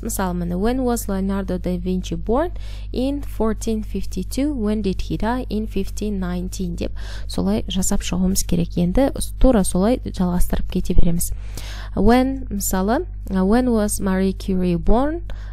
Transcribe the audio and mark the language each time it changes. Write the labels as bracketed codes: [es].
[kk] Мысалы, мені, [en] when was Leonardo da Vinci born? In 1452. When did he die? In 1519. [kk] Деп, солай жасап шығымыз керек. Енді тура солай жалғастырып кете береміз. [en] When, [kk] мысалы, [en] when was Marie Curie born?